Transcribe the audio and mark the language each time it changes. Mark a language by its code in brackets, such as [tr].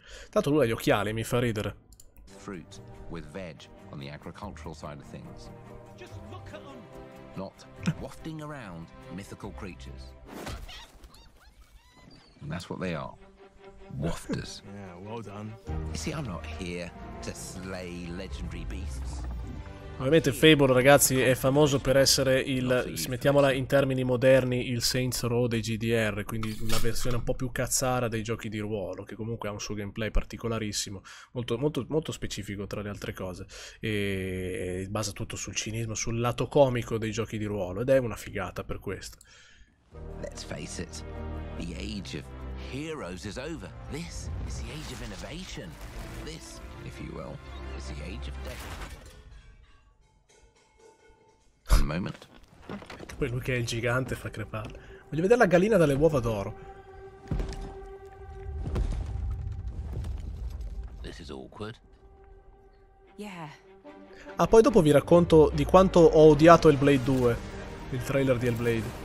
[it] Tanto lui ha gli occhiali, mi fa ridere. [en] Fruit with veg on the agricultural side of things. Not wafting around mythical creatures. And that's what they are. Wafters. Yeah, well done. You see, I'm not here to slay legendary beasts. [it] Ovviamente Fable, ragazzi, è famoso per essere il, smettiamola in termini moderni, il Saints Row dei GDR, quindi una versione un po' più cazzara dei giochi di ruolo, che comunque ha un suo gameplay particolarissimo, molto, molto, molto specifico tra le altre cose, e basa tutto sul cinismo, sul lato comico dei giochi di ruolo, ed è una figata per questo. [en] Let's face it, the age of heroes is over. This is the age of innovation. This, if you will, is the age of death. Moment. [it] Poi lui che è il gigante fa crepare. Voglio vedere la gallina dalle uova d'oro. [en] This is awkward. Yeah. [it] Ah, poi dopo vi racconto di quanto ho odiato Hellblade 2, il trailer di Hellblade.